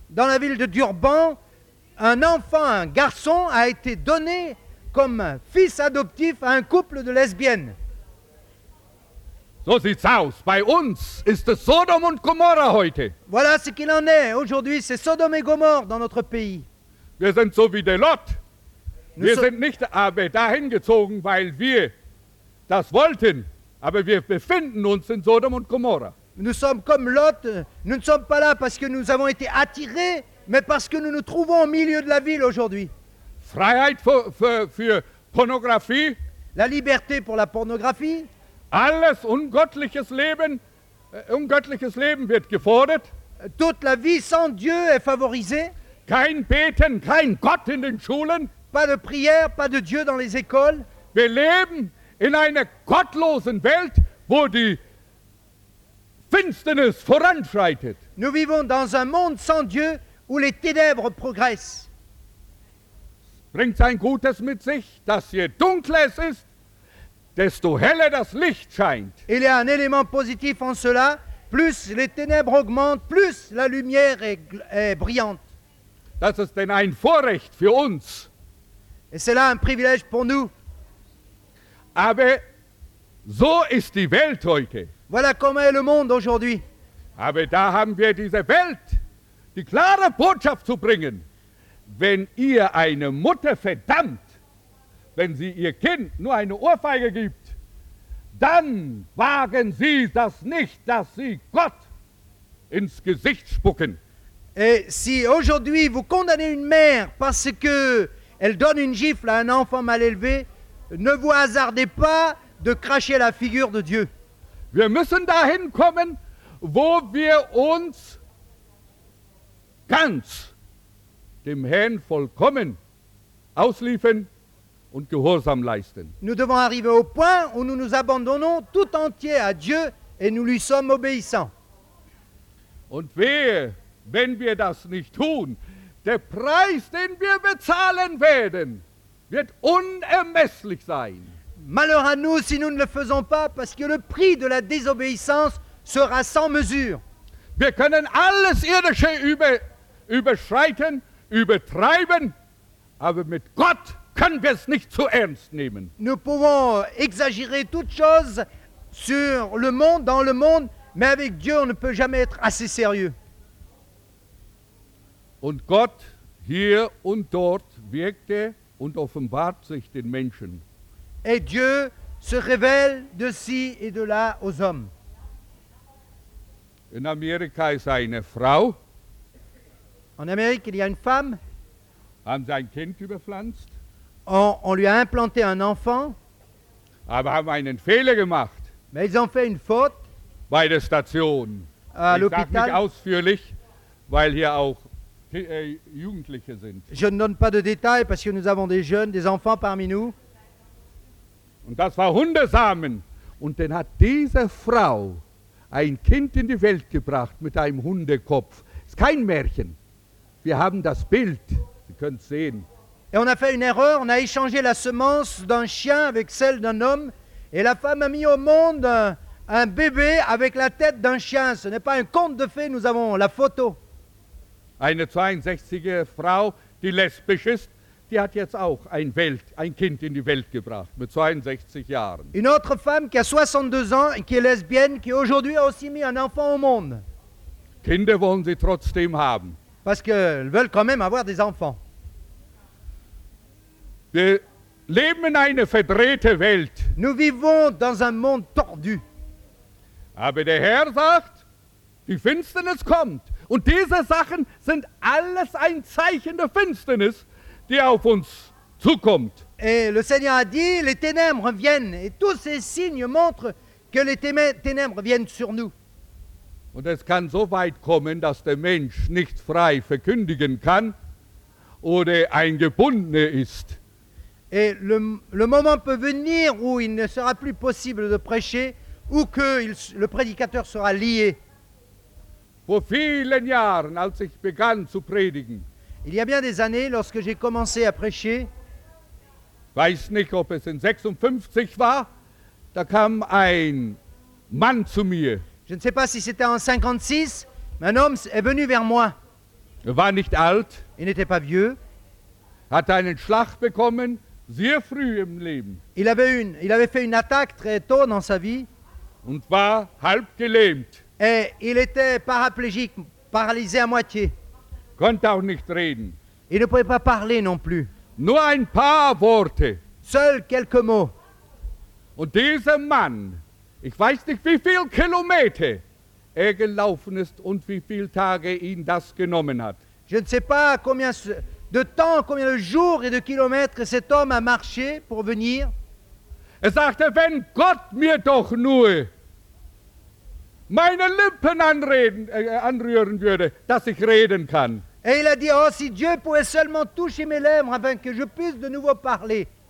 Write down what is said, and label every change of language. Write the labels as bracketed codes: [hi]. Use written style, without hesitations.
[fr] Dans la ville de Durban, un enfant, un garçon, a été donné comme fils adoptif à un couple de lesbiennes. [de] So sieht's aus. Bei uns ist es Sodom und Gomorra heute. [fr] Voilà ce qu'il en est. Aujourd'hui, c'est Sodom et Gomorre dans notre pays. [de] Wir sind so wie der Lot. Wir sind nicht aber dahin gezogen, weil wir das wollten. Aber wir befinden uns in Sodom und Gomorra. [fr] Nous sommes comme Lot. Nous ne sommes pas là parce que nous avons été attirés, mais parce que nous nous trouvons au milieu de la ville aujourd'hui. [de] Freiheit für Pornografie. [fr] La liberté pour la pornographie. [de] Alles ungöttliches Leben wird gefordert. [fr] Toute la vie sans Dieu est favorisée. [de] Kein Beten, kein Gott in den Schulen. [fr] Pas de prière, pas de Dieu dans les écoles. [de] Wir leben in einer gottlosen Welt, wo die Finsternis voranschreitet. [fr] Nous vivons dans un monde sans Dieu où les ténèbres progressent. [de] Bringt ein Gutes mit sich, dass je dunkler es ist, desto heller das Licht scheint. [fr] Il y a un élément positif en cela. Plus les ténèbres augmentent, plus la lumière est brillante. [de] Das ist denn ein Vorrecht für uns. [fr] Et c'est là un privilège pour nous. [de] Aber so ist die Welt heute. [fr] Voilà comment est le monde aujourd'hui. [de] Aber da haben wir diese Welt, die klare Botschaft zu bringen. Wenn ihr eine Mutter verdammt, wenn sie ihr Kind nur eine Ohrfeige gibt, dann wagen sie das nicht, dass sie Gott ins Gesicht spucken. [fr] Et si aujourd'hui vous condamnez une mère parce que elle donne une gifle à un enfant mal élevé, ne vous hasardez pas de cracher la figure de Dieu. [de] Wir müssen dahin kommen, wo wir uns ganz dem Herrn vollkommen ausliefern. Und gehorsam leisten. [fr] Nous devons arriver au point où nous nous abandonnons tout entier à Dieu et nous lui sommes obéissants. [de] Und wehe, wenn wir das nicht tun, der Preis, den wir bezahlen werden, wird unermesslich sein. [fr] Malheur à nous si nous ne le faisons pas, parce que le prix de la désobéissance sera sans mesure. [de] Wir können alles Irdische überschreiten, übertreiben, aber mit Gott können wir es nicht zu ernst nehmen. [fr] Nous pouvons exagérer toutes choses sur le monde, dans le monde, mais avec Dieu, on ne peut jamais être assez sérieux. [de] Und Gott hier und dort wirkte und offenbart sich den Menschen. [fr] Et Dieu se révèle de ci et de là aux hommes. [de] In Amerika ist eine Frau. [fr] En Amérique, il y a une femme. [de] Haben sie ein Kind überpflanzt? [fr] On lui a implanté un enfant. [de] Aber haben einen Fehler gemacht. [fr] Mais ils ont fait une faute. [de] Bei der Station. [fr] À l'hôpital. [de] Ich sage nicht ausführlich, weil hier auch Jugendliche sind. [fr] Je ne donne pas de détails parce que nous avons des jeunes, des enfants parmi nous. [de] Und das war Hundesamen. Und dann hat diese Frau ein Kind in die Welt gebracht mit einem Hundekopf. Ist kein Märchen. Wir haben das Bild. Sie können es sehen. [fr] Et on a fait une erreur, on a échangé la semence d'un chien avec celle d'un homme. Et la femme a mis au monde un bébé avec la tête d'un chien. Ce n'est pas un conte de fées, nous avons la photo. [de] Eine 62-jährige Frau, die lesbisch ist, die hat jetzt auch ein Welt, ein Kind in die Welt gebracht, mit 62 Jahren. [fr] Une autre femme qui a 62 ans et qui est lesbienne, qui aujourd'hui a aussi mis un enfant au monde. [de] Kinder wollen sie trotzdem haben. [fr] Parce qu'elles veulent quand même avoir des enfants. [de] Wir leben in einer verdrehten Welt. [fr] Nous vivons dans un monde tordu. [de] Aber der Herr sagt, die Finsternis kommt. Und diese Sachen sind alles ein Zeichen der Finsternis, die auf uns zukommt. [fr] Et le Seigneur a dit, les ténèbres viennent. Et tous ces signes montrent que les ténèbres viennent sur nous. [de] Und es kann so weit kommen, dass der Mensch nicht frei verkündigen kann oder ein Gebundener ist. [fr] Et le moment peut venir où il ne sera plus possible de prêcher ou que le prédicateur sera lié. [de] Vor vielen Jahren, als ich begann zu predigen, [fr] il y a bien des années, lorsque j'ai commencé à prêcher, [de] weiß nicht, ob es in 56 war, da kam ein Mann zu mir. [fr] Je ne sais pas si c'était en 56, mais un homme est venu vers moi. [de] Er war nicht alt. [fr] Il n'était pas vieux. [de] Hatte einen Schlag bekommen, sehr früh im Leben. [fr] Il avait fait une attaque très tôt dans sa vie. [de] Und war halb gelähmt. [fr] Et il était paraplégique, paralysé à moitié. [de] Konnte auch nicht reden. [fr] Il ne pouvait pas parler non plus. [de] Nur ein paar Worte. [fr] Seuls quelques mots. [de] Und dieser Mann, ich weiß nicht, wie viele Kilometer er gelaufen ist und wie viele Tage ihn das genommen hat. [fr] Je ne sais pas combien de temps, combien de jours et de kilomètres cet homme a marché pour venir. [de] Er sagte, wenn Gott mir doch nur meine Lippen anrühren würde, dass ich reden kann. [fr] Et il a dit, oh, si Dieu pouvait seulement toucher mes lèvres afin que je puisse de nouveau parler.